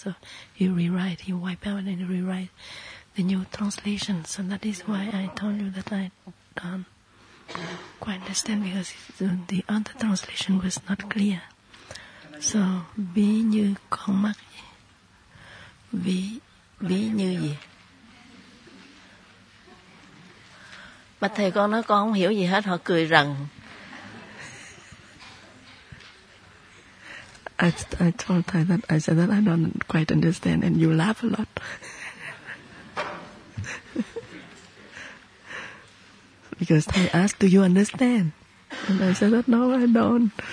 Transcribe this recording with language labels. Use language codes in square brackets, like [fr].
[en] So he rewrite, he wipe out and rewrite the new translation. So that is why I told you that I don't quite understand, because the other translation was not clear. [vi] So ví như con mắt, ví như gì? Bạch thầy, con nói con không hiểu gì hết, họ cười rằng. [en] I told Thay that I said that I don't quite understand, and you laugh a lot. Because Thay asked, "Do you understand?" And I said that, "No, I don't."